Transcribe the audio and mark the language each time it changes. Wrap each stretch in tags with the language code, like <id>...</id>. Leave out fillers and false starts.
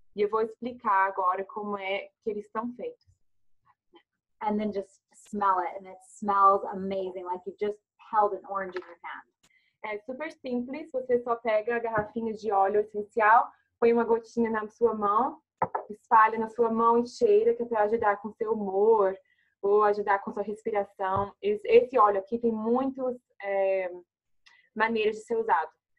<pt>E eu vou explicar agora como é que eles estão feitos.</pt> <en>And then just smell it, and it smells amazing, like you just held an orange in your hand.</en> <pt>É super simples, você só pega garrafinhas de óleo essencial, põe uma gotinha na sua mão, espalha na sua mão e cheira, que é para ajudar com seu humor ou ajudar com sua respiração. Esse óleo aqui tem muitas maneiras de ser usado.</pt>